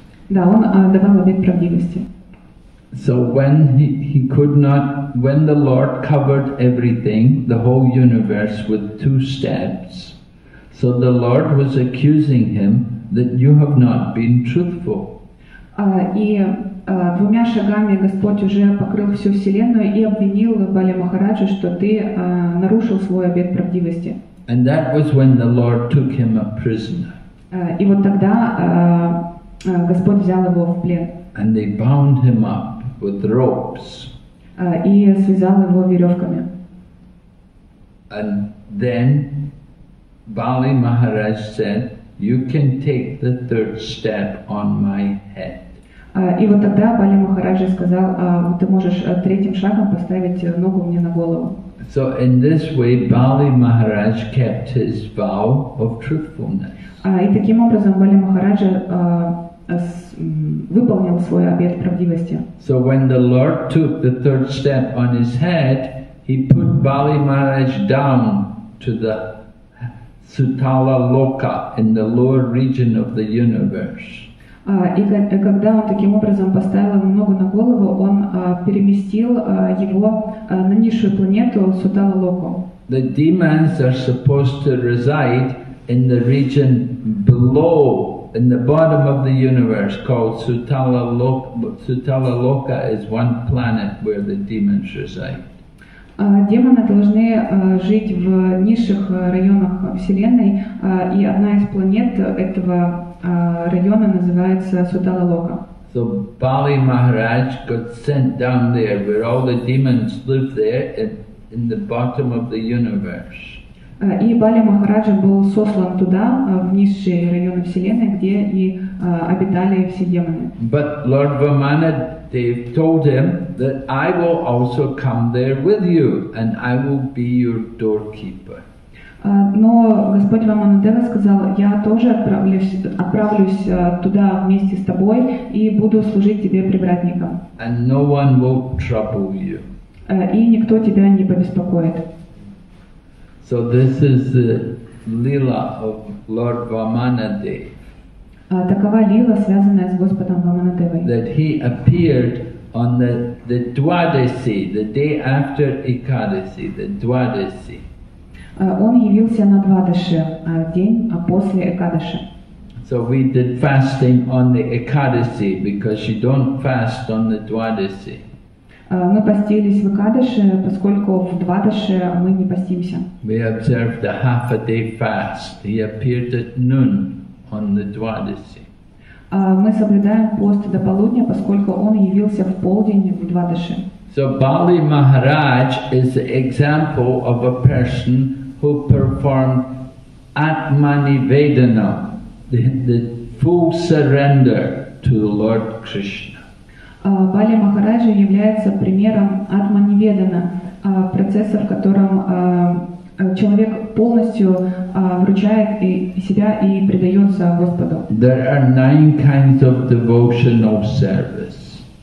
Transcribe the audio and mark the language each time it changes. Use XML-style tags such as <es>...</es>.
<ru>Да, он давал обет правдивости.</ru> <en>So when when the Lord covered everything, the whole universe with 2 steps, so the Lord was accusing him that you have not been truthful.</en> <ru>И 2 шагами Господь уже покрыл всю вселенную и обвинил Бали Махараджа, что ты нарушил свой обет правдивости.</ru> <en>And that was when the Lord took him a prisoner.</en> <ru>И вот тогда Господь взял его в плен.</ru> <en>And they bound him up with ropes.</en> <ru>И связал его веревками.</ru> <en>And then Bali Maharaj said, "You can take the third step on my head."</en> <ru>И вот тогда Бали Махараджа сказал, ты можешь третьим шагом поставить ногу мне на голову.</ru> <en>So in this way, Bali Maharaj kept his vow of truthfulness.</en> <ru>И таким образом Бали Махараджа выполнил свой обет правдивости.</ru> <en>So when the Lord took the third step on his head, he put Bali Maharaj down to the Sutala Loka in the lower region of the universe.</en> <ru>И когда он таким образом поставил ему ногу на голову, он переместил его на низшую планету Сутала Локу.</ru> <en>The demons are supposed to reside in the region below, in the bottom of the universe called Sutala Loka. Sutala Loka is one planet where the demons reside.</en> <ru>Демоны должны жить в низших районах Вселенной, и одна из планет этого района называется Сутала Лока.</ru> <en>So Bali Maharaj got sent down there where all the demons live there in the bottom of the universe.</en> <ru>И Бали Махараджа был сослан туда, в низшие районы Вселенной, где и обитали все демоны.</ru> <en>But Lord Vamana, they've told him that I will also come there with you and I will be your doorkeeper.</en> <ru>Но Господь Вамана сказал, я тоже отправлюсь туда вместе с тобой и буду служить тебе привратником.</ru> <en>And no one will trouble you.</en> <ru>И никто тебя не побеспокоит.</ru> <en>So this is the Lila of Lord Vamanadeva.</en> <ru>Такова лила, связанная с Господом Ваманадевой.</ru> <en>That he appeared on the Dwadasi, the day after Ekadasi, the Dwadasi.</en> <ru>Он явился на Двадаши, день после Экадаши.</ru> <en>So we did fasting on the Ekadasi, because you don't fast on the Dwadasi.</en> <ru>Мы постились в Экадаши, поскольку в Двадаши мы не постимся.</ru> <en>We observed a half a day fast. He appeared at noon on the Dwadasi.</en> <ru>Мы соблюдаем пост до полудня, поскольку он явился в полдень в Двадаши.</ru> <en>So Bali Maharaj is the example of a person who performed Atmanivedana, the full surrender to the Lord Krishna.</en> <ru>Бали Махараджа является примером Атманиведана, процесса, в котором человек полностью вручает себя и предается Господу.</ru> <en>There are nine kinds of devotional service.</en>